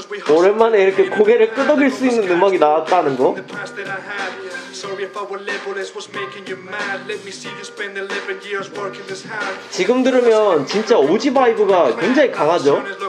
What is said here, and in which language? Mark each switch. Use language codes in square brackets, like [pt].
[ko] 오랜만에 이렇게 고개를 끄덕일 수 있는 음악이 나왔다는 거? [en] Sorry if our levelness was making you mad. Let me see you spend 11 years working this hard. [ko] 지금 들으면 진짜 오지 바이브가 굉장히 강하죠.